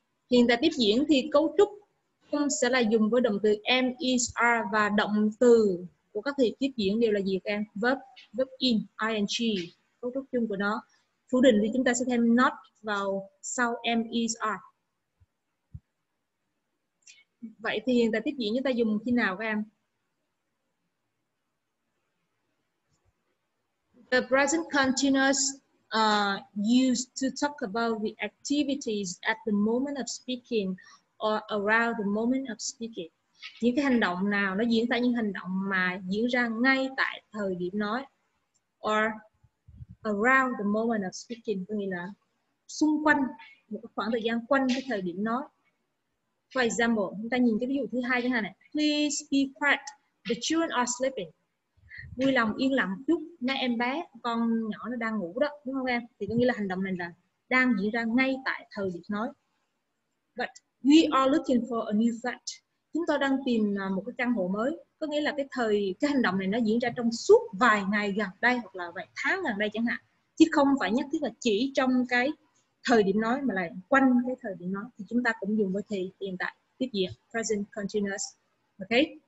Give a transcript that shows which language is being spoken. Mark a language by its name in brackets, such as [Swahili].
[Vietnamese] Hiện tại tiếp diễn thì cấu trúc chúng sẽ là dùng với động từ am, is, are, và động từ của các thì tiếp diễn đều là gì các em? Verb in, ing, cấu trúc chung của nó. Phủ định thì chúng ta sẽ thêm not vào sau am, is, are. Vậy thì hiện tại tiếp diễn chúng ta dùng khi nào các em? [English] The present continuous used to talk about the activities at the moment of speaking or around the moment of speaking. [Vietnamese] Những cái hành động nào nó diễn ra, những hành động mà diễn ra ngay tại thời điểm nói, [English] or around the moment of speaking, [Vietnamese] có nghĩa là xung quanh một khoảng thời gian quanh cái thời điểm nói. [English] For example, [Vietnamese] chúng ta nhìn cái ví dụ thứ hai chẳng hạn này. [English] Please be quiet, the children are sleeping. [Vietnamese] Vui lòng yên lặng một chút, nãy em bé, con nhỏ nó đang ngủ đó, đúng không em? Thì có nghĩa là hành động này là đang diễn ra ngay tại thời điểm nói. [English] But we are looking for a new flat. [Vietnamese] Chúng tôi đang tìm một cái căn hộ mới. Có nghĩa là cái hành động này nó diễn ra trong suốt vài ngày gần đây hoặc là vài tháng gần đây chẳng hạn. Chứ không phải nhất thiết là chỉ trong cái thời điểm nói mà là quanh cái thời điểm nói. Thì chúng ta cũng dùng với thì hiện tại tiếp diễn, present continuous. Ok?